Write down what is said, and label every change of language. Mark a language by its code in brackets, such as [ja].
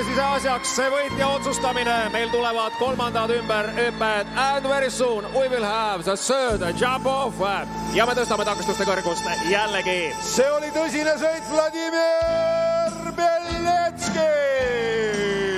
[et] Asjaks see võit ja otsustamine. Meil tulevad kolmandad ümber ümbed. [en] And very soon we will have the third jump off. [et] Ja me tõstame takistuste kõrgust jällegi. See oli tõsine sõit Vladimir Beletski.